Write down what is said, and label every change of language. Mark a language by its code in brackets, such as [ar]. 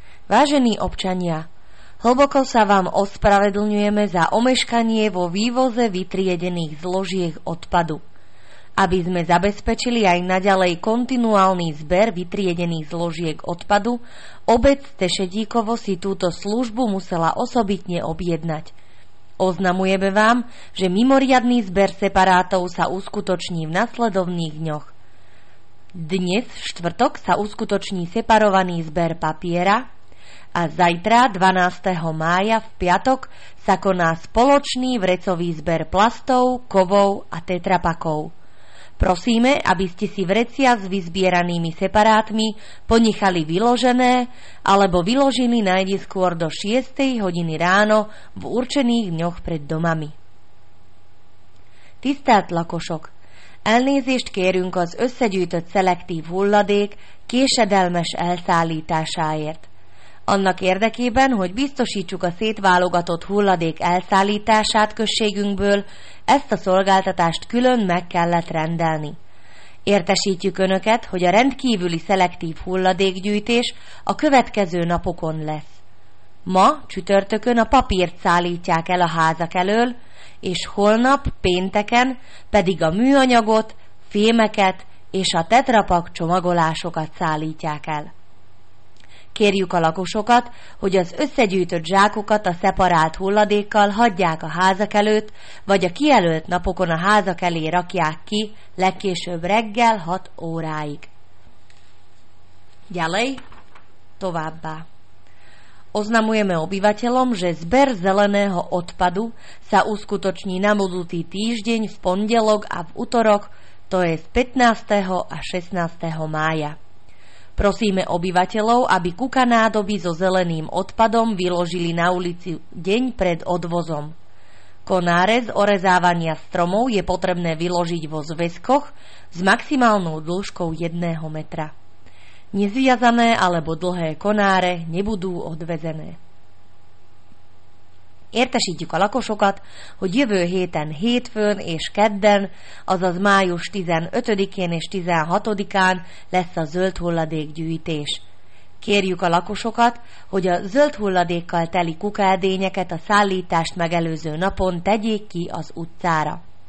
[sk] Vážení občania, hlboko sa vám ospravedlňujeme za omeškanie vo vývoze vytriedených zložiek odpadu. Aby sme zabezpečili aj naďalej kontinuálny zber vytriedených zložiek odpadu, obec Tešedíkovo si túto službu musela osobitne objednať. Oznamujeme vám, že mimoriadny zber separátov sa uskutoční v nasledovných dňoch. Dnes, štvrtok, sa uskutoční separovaný zber papiera a zajtra, 12. mája, v piatok, sa koná spoločný vrecový zber plastov, kovov a tetrapakov. Prosíme, aby ste si vrecia s vyzbieranými separátmi ponechali vyložené alebo vyložili najdeskôr do 6. hodiny ráno v určených dňoch pred domami. [hu] Tisztelt lakosok! Elnézést kérünk az összegyűjtött szelektív hulladék késedelmes elszállításáért. Annak érdekében, hogy biztosítsuk a szétválogatott hulladék elszállítását községünkből, ezt a szolgáltatást külön meg kellett rendelni. Értesítjük Önöket, hogy a rendkívüli szelektív hulladékgyűjtés a következő napokon lesz. Ma, csütörtökön a papírt szállítják el a házak elől, és holnap, pénteken pedig a műanyagot, fémeket és a tetrapak csomagolásokat szállítják el. Kérjük a lakosokat, hogy az összegyűjtött zsákokat a szeparált hulladékkal hagyják a házak előtt, vagy a kijelölt napokon a házak elé rakják ki, legkésőbb reggel 6 óráig. Gyalej, továbbá. [sk] Oznamujeme obyvateľom, že zber zeleného odpadu sa uskutoční na budúci týždeň v pondelok a v utorok, to je z 15. a 16. mája. Prosíme obyvateľov, aby kukanádoby so zeleným odpadom vyložili na ulici deň pred odvozom. Konáre z orezávania stromov je potrebné vyložiť vo zväzkoch s maximálnou dĺžkou 1 metra. Nezviazané alebo dlhé konáre nebudú odvezené. [hu] Értesítjük a lakosokat, hogy jövő héten hétfőn és kedden, azaz május 15-én és 16-án lesz a zöld hulladékgyűjtés. Kérjük a lakosokat, hogy a zöld hulladékkal teli kukaedényeket a szállítást megelőző napon tegyék ki az utcára.